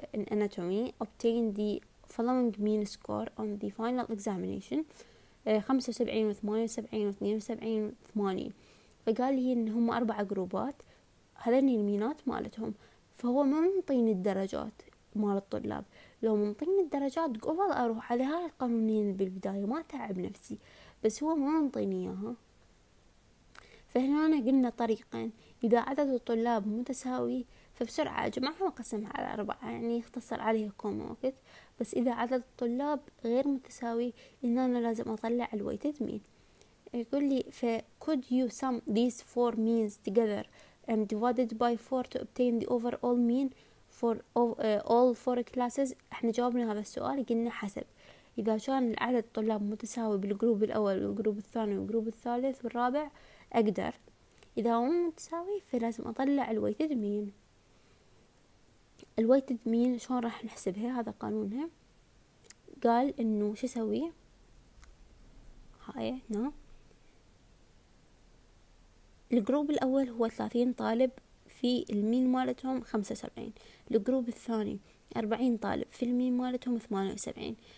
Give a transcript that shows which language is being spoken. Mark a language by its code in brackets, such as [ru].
[ar] anatomy obtain the following mean score on the final examination 75 و 78 و 72 و 80 فقال لي ان هم اربع جروبات هذين المينات مالتهم فهو ما منطين الدرجات مال الطلاب لو منطين الدرجات قبل اروح على هاي القانونين بالبداية ما تعب نفسي بس هو ما منطيني اياها. فهنا أنا قلنا طريقين اذا عدد الطلاب متساوي فبسرعة اجمعها وقسمها على اربعة يعني اختصر عليها كوم وقت بس اذا عدد الطلاب غير متساوي ان انا لازم اطلع الويتد مين. [en] يقول لي ف could you sum these four means together and divided by four to obtain the overall mean for all four classes. [ar] احنا جاوبنا هذا السؤال قلنا حسب اذا كان العدد الطلاب متساوي بالجروب الاول والجروب الثاني والجروب الثالث والرابع اقدر اذا هو متساوي فلازم اطلع الويتد مين. الويتد مين شلون راح نحسبها هذا قانونها قال انه شو اسوي هاي هنا الجروب الاول هو 30 طالب في المين مالتهم 75 الجروب الثاني 40 طالب في المين مالتهم 78